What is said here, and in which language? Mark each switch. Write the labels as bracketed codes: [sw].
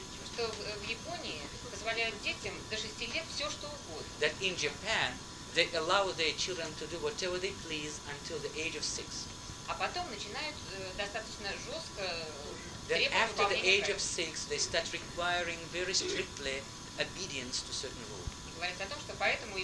[ru] Что в Японии позволяют детям до 6 лет все, что угодно. [en] That in Japan, they allow their children to do whatever they please until the age of 6. [ru] А потом начинают достаточно жестко. [en] Then after the age of 6, they start requiring very strictly obedience to certain rules.